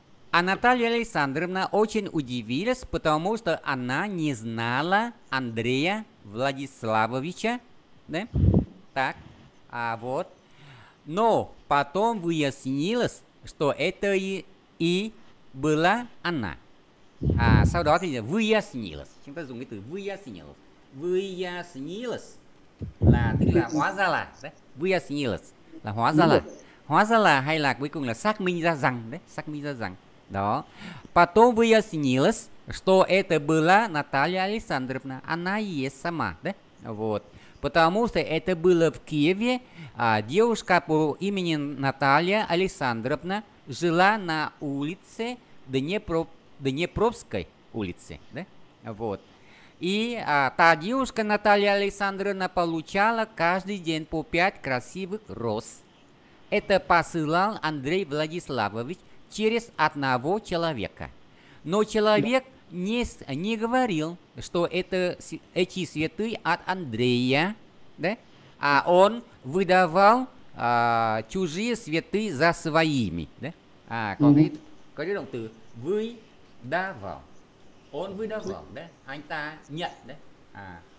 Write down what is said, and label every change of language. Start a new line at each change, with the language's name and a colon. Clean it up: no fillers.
Russian: А Наталья Александровна очень удивилась, потому что она не знала Андрея Владиславовича, да? Так, вот. Но потом выяснилось, что это и была она.
Vietnamese: Sau đó thì выяснилось. Chúng ta dùng cái từ выяснилось. Выяснилось là tức là hóa ra là, đấy. Выяснилось là hóa ra là. Hóa ra là hay là cuối cùng là xác minh ra rằng, đấy, xác minh ra rằng. Đó.
Russian: Потом выяснилось, что это была Наталья Александровна. Она есть сама, да? Вот. Потому что это было в Киеве, девушка по имени Наталья Александровна жила на улице Днепровской улице, да? Вот. И та девушка Наталья Александровна получала каждый день по 5 красивых роз. Это посылал Андрей Владиславович через одного человека. Но человек не говорил, что это эти цветы от Андрея, да? А он выдавал чужие цветы за своими, да?
Vietnamese: Cái động từ выдавал.
Russian: Он выдавал, да?
Vietnamese: Anh ta nhận, да?